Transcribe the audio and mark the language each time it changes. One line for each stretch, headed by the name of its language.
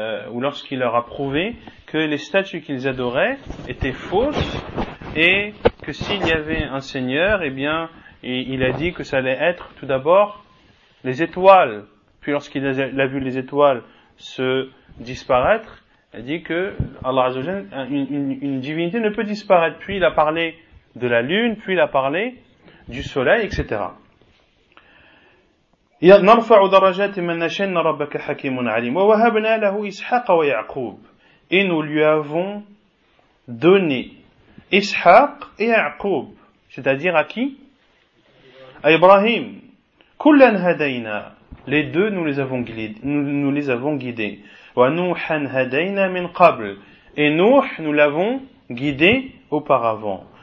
French: ou lorsqu'il leur a prouvé que les statues qu'ils adoraient étaient fausses, et que s'il y avait un seigneur, eh bien, il a dit que ça allait être tout d'abord les étoiles. Puis lorsqu'il a vu les étoiles se disparaître, il dit que Allah Azza wa Jalla, une divinité ne peut disparaître. Puis il a parlé de la lune, puis il a parlé du soleil, etc.
Arabic: نرفع درجات من نشاء ربك حكيم عليم ووهبنا له إسحاق ويعقوب.
French: Et nous lui avons donné Ishaq et Yaqub, c'est-à-dire à qui? À Ibrahim.
Arabic: Kullan hadayna,
French: les deux nous les avons guidés.
Arabic: Wa Nuhan hadayna min qabl,
French: et Nuh nous l'avons guidé auparavant.